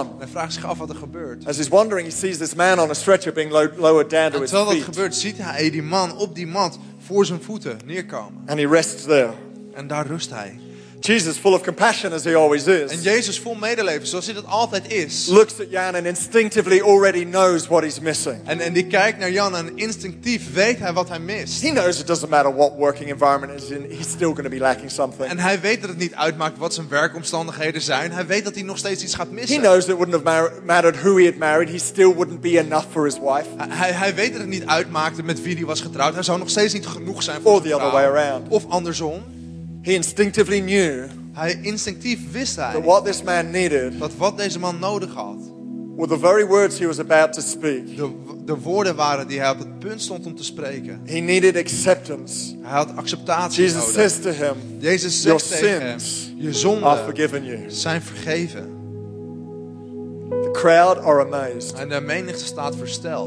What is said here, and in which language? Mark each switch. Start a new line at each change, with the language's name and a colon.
Dutch: En hij vraagt zich af wat er gebeurt.
English: As he's wondering, he sees this man on a stretcher being lowered down to his feet.
Dutch: En terwijl dat gebeurt, ziet hij die man op die mat voor zijn voeten neerkomen.
English: And he rests there.
Dutch: En daar rust hij.
English: Jesus, full of compassion as he always is.
Dutch: En Jezus vol medeleven, zoals hij dat altijd is.
English: Looks at Jan and instinctively already knows what he's missing.
Dutch: En die kijkt naar Jan en instinctief weet hij wat hij mist.
English: He knows it doesn't matter what working environment is in, he's still going to be lacking something.
Dutch: En hij weet dat het niet uitmaakt wat zijn werkomstandigheden zijn. Hij weet dat hij nog steeds iets gaat missen.
English: He knows it wouldn't have mattered who he had married. He still wouldn't be enough for his wife.
Dutch: Hij weet dat het niet uitmaakte met wie hij was getrouwd. Hij zou nog steeds niet genoeg zijn voor zijn vrouw.
English: Or the other way around.
Dutch: Of andersom.
English: He instinctively knew.
Dutch: Hij instinctief wist hij.
English: That what this man needed.
Dutch: Dat wat deze man nodig had.
English: Were the very words he was about to speak.
Dutch: De woorden waren die hij op het punt stond om te spreken.
English: He needed acceptance.
Dutch: Hij had acceptatie
English: Jesus
Dutch: nodig.
English: Jesus says to him.
Dutch: Jezus zegt
English: your
Dutch: tegen
English: sins
Dutch: hem. Je zonden
English: are forgiven you.
Dutch: Zijn vergeven.
English: The crowd are amazed.
Dutch: En de menigte staat versteld.